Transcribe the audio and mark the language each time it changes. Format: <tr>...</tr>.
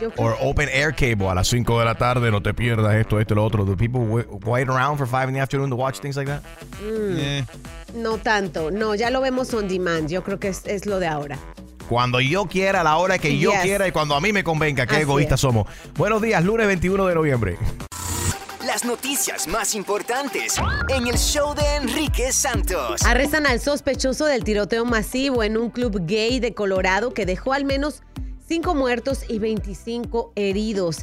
<en>Or open air cable</en> <es>a las 5 de la tarde, no te pierdas esto, esto y lo otro.</es> <en>Do people wait around for 5 in the afternoon to watch things like that?</en> <es>No tanto. No, ya lo vemos on demand. Yo creo que es lo de ahora. Cuando yo quiera, a la hora que yo quiera y cuando a mí me convenga. Qué egoístas somos. Buenos días, lunes 21 de noviembre. Las noticias más importantes en el show de Enrique Santos. Arrestan al sospechoso del tiroteo masivo en un club gay de Colorado que dejó al menos 5 muertos y 25 heridos.</es>